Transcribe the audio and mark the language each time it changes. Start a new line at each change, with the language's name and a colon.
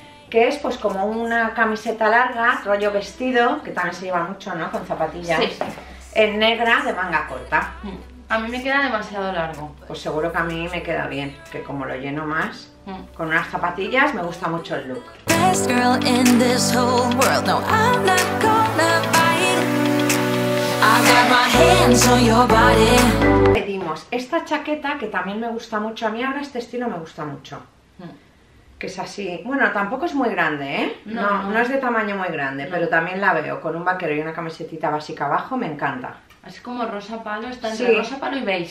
Spanish: Que es pues como una camiseta larga, rollo vestido, que también se lleva mucho, ¿no? Con zapatillas. Sí. En negra de manga corta. A mí me queda demasiado largo. Pues seguro que a mí me queda bien, que como lo lleno más, con unas zapatillas me gusta mucho el look.
English: Best girl in this whole world. No, I'm not gonna fight. I got my hands on your body.
Spanish: Esta chaqueta, que también me gusta mucho a mí, ahora este estilo me gusta mucho. Que es así, bueno, tampoco es muy grande, ¿eh? No, no es de tamaño muy grande, no. Pero también la veo con un vaquero y una camisetita básica abajo, me encanta. Así como rosa palo, está entre sí. Rosa palo y beige.